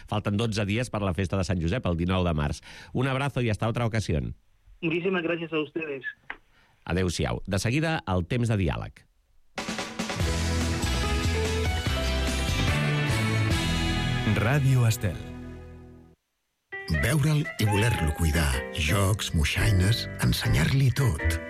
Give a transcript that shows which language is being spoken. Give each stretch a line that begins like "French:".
Catalan: Falten 12 dies per la festa de Sant Josep, el 19 de març.
Spanish: Un abrazo i hasta otra ocasión. Muchísimas gracias a ustedes.
Catalan: Adeu-siau. De seguida, el temps de diàleg. Ràdio Estel. Veure'l i voler-lo cuidar. Jocs, moixaines, ensenyar-li tot.